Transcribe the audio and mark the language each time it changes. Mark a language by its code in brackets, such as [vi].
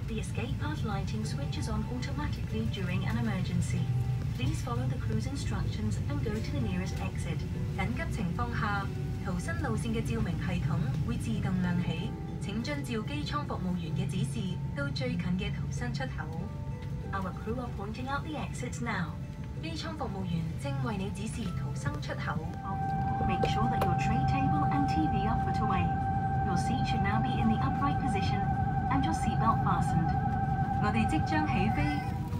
[en] The escape pod lighting switches on automatically during an emergency. Please follow the crew's instructions and go to the nearest exit. [zh] 緊急情況下, 逃生路線的照明系統會自動亮起, 請遵照機艙服務員的指示, 到最近的逃生出口. [en] Our crew are pointing out the exits now. [zh] 機艙服務員正為你指示逃生出口. [en] Make sure that your tray table and TV are put away. Your seat should now be in the upright position and your seatbelt fastened. [zh] 我們即將起飛.